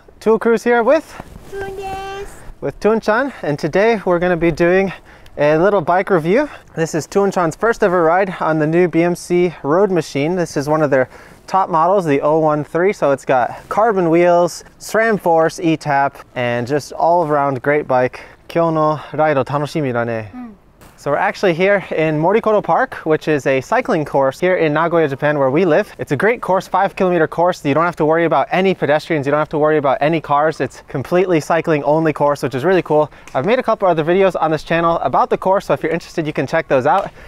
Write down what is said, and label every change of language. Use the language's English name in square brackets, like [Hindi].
[English] Tool Crew's here with Thuong-chan, and today we're going to be doing a little bike review. This is Thuong-chan's first ever ride on the new BMC Roadmachine. This is one of their top models, the 013, so it's got carbon wheels, SRAM Force, E-Tap, and just all around great bike. [Japanese] 今日のライド楽しみだね. [English] So we're actually here in Morikoro Park, which is a cycling course here in Nagoya, Japan, where we live. It's a great course, 5 kilometer course. You don't have to worry about any pedestrians. You don't have to worry about any cars. It's completely cycling only course, which is really cool. I've made a couple other videos on this channel about the course, so if you're interested, you can check those out.